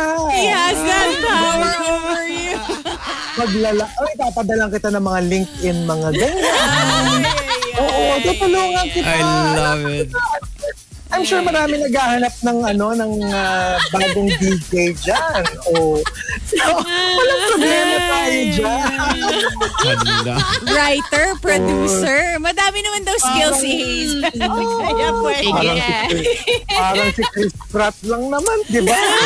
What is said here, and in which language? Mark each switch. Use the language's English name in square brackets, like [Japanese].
[English] He has that power over you. [Filipino] Ay, papadalang kita ng mga LinkedIn, mga ganyan. Oo, tutulungan kita. [English] I love it. [Filipino] I'm sure marami naghahanap ng ano ng bagong DJ diyan. Wala problema tayo diyan. Writer, producer, madami naman daw skills si Hazel. Oh, parang si Chris Pratt lang naman, 'di ba?